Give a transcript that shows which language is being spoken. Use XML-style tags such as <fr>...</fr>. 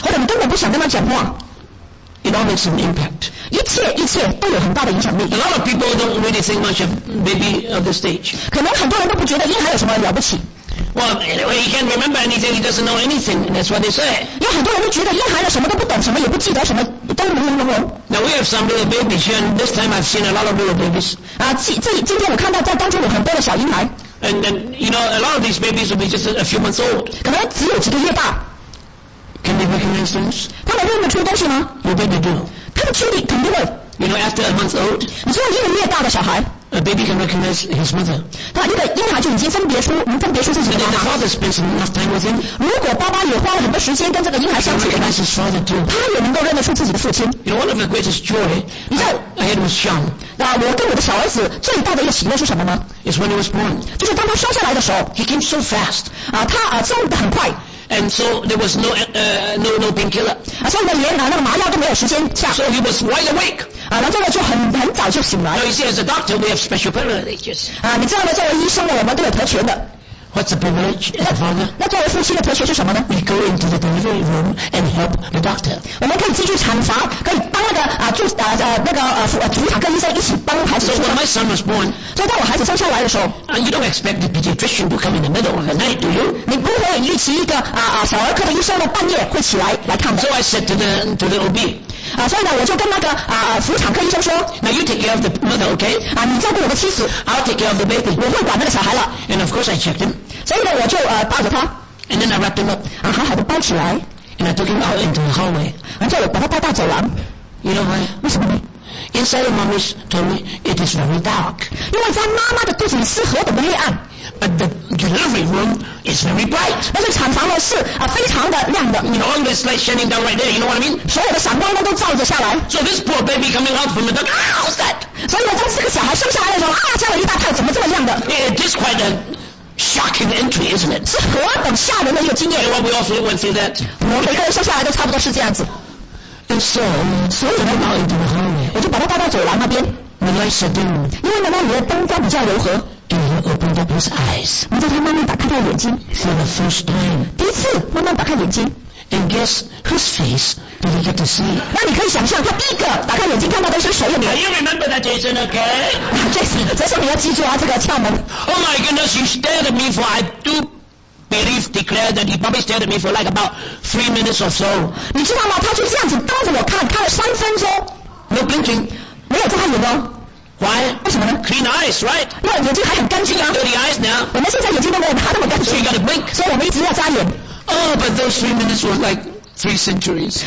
<zh>或者你根本不想跟他讲话</zh> <en>？It all makes an impact。</en> <zh>一切都有很大的影响力。</zh> <en>A lot of people don't really think much of baby of the stage。</en> <zh>可能很多人都不觉得婴孩有什么了不起。</zh> <en>Well, anyway, he can't remember anything. He doesn't know anything. That's what they say.</en> <zh>有很多人都觉得婴孩了什么都不懂，什么也不记得，什么都懵懵懵懵。</zh> <en>Now we have some little babies here, and this time I've seen a lot of little babies.</en> <zh>今天我看到在当中有很多的小婴孩。</zh> <en>And you know, a lot of these babies will be just a few months old.</en> <zh>可能只有几个月大。</zh> <en>Can they recognize things?</en> <zh>他们认得出东西吗</zh> <en>？You bet they do.</en> <zh>他们听力肯定会。</zh> <en>You know, after a month old.</en> <zh>你知道一个月大的小孩。</zh> <en>A baby can recognize his mother.</en> <zh>他那个婴孩就已经分别出，能分别出自己的妈妈。</zh> <en>And the father spends enough time with him.</en> <zh>如果爸爸也花了很多时间跟这个婴孩相处</zh> <en>，He recognizes his father too.</en> <zh>他也能够认得出自己的父亲。</zh> <en>You know, one of the greatest joy.</en> <zh>你知道</zh> <en>，I had was young.</en> <zh>那我跟我的小儿子最大的一个喜乐是什么呢</zh> <en>？Is when he was born.</en> <zh>就是当他生下来的时候</zh> <en>，He came so fast.</en> <zh>他走得很快。</zh> <en>And so there was no painkiller.</en> <zh>所以呢，连那个麻药都没有时间下。</zh> <en>So he was wide awake.</en> <zh>啊，然后呢就很早就醒来。</zh> <en>Now you see, as a doctor, we have special privileges.</en> <zh>啊，你知道吗？作为医生呢，我们都有特权的。</zh> <en>What's the privilege, the father?</en> <zh>那作为夫妻的特权是什么呢？</zh> <en>We go into the delivery room and help the doctor.</en> <zh>我们可以进去产房，可以帮那个啊助啊啊那个啊妇啊主产科医生一起帮孩子。</zh> <en>So when my son was born,</en> <zh>所以当我孩子生下来的时候</zh> <en>，And you don't expect the pediatrician to come in the middle of the night, do you?</en> <zh>你不会预期一个啊小儿科的医生呢半夜会起来来看的。</zh> <en>So I said to the OB.</en> <zh>啊，所以呢我就跟那个啊妇产科医生说</zh> <en>，Now you take care of the mother, okay?</en> <zh>啊，你照顾我的妻子。</zh> <en>I'll take care of the baby.</en> <zh>我会管那个小孩了。</zh> <en>And of course I checked him.</en> <zh>所以呢，我就抱着他</zh> <en>，and then I wrapped him up，</en> <zh>啊，好好的包起来</zh> <en>，and I took him out into the hallway，</en> <zh>然后我把他带到走廊</zh> <en>，you know why？</en> <zh>为什么呢</zh> <en>？Inside the mommy's tummy it is very dark，</en> <zh>因为在妈妈的肚子里是何等的黑暗</zh> <en>，but the delivery room is very bright，</en> <zh>但是产房呢是非常的亮的</zh> <en>，you know all this light shining down right there，you know what I mean？</en> <zh>所有的闪光灯都照着下来</zh> <en>，so this poor baby coming out from the dark，、ah, how's that？</en> <zh>所以呢，当这个小孩生下来的时候，啊，吓了一大跳，怎么这么亮的</zh> <en>？It is quite a shocking entry, isn't it?</en> <zh>是何等吓人的一个经验。</zh> <en>You know what we all went through that.</en> <zh>我们每个人生下来都差不多是这样子。</zh> <en>And so,</en> <zh>所以我把他带到后面，我就把他带到走廊那边。</zh> <en>The light shone down.</en> <zh>因为妈妈里的灯光比较柔和。</zh> <en>And he opened up his eyes.</en> <zh>我叫他慢慢打开他的眼睛。</zh> <en>For the first time.</en> <zh>第一次慢慢打开眼睛。</zh> <en>And guess whose face did he get to see?</en> <zh>那你可以想象，他第一个打开眼睛看到的是谁？</zh> <en>Now you remember that Jason, okay?</en> <zh>Jason, 这是你要记住啊，这个窍门。</zh> <en>Oh my goodness, you stared at me for I do believe declare that he probably stared at me for like about 3 minutes or so.</en> <zh>你知道吗？他就这样子瞪着我看，看了三分钟。</zh> <en>No blinking.</en> <zh>没有眨眼哦。</zh> <en>Why?</en> <zh>为什么呢</zh> <en>？Clean eyes, right?</en> <zh>那眼睛还很干净啊。</zh> <en>Dirty eyes now.</en> <zh>我们现在眼睛都没有他那么干净。</zh> <en>So you gotta blink.</en> <zh>所以我们一直要眨眼。</zh> <en>Oh, but those 3 minutes were like 3 centuries.</en>